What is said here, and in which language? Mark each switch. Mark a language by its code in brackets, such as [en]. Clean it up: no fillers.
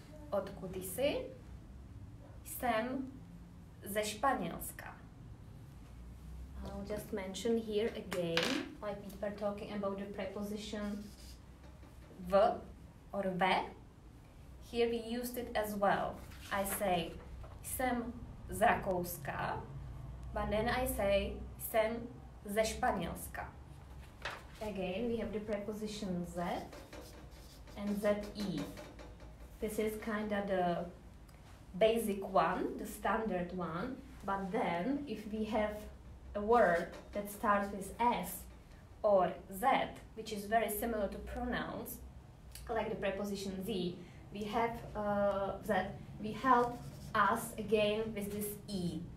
[cs] Odkud jsi? Jsem ze Španělska. [en] I'll just mention here again, like we were talking about the preposition v or ve. Here we used it as well. I say [cs] jsem z Rakouska, [en] but then I say [cs] jsem ze Španělska. [en] Again, we have the preposition z and ze. This is kind of the basic one, the standard one, but then if we have a word that starts with S or Z, which is very similar to pronouns, like the preposition Z, we have that we help us again with this E.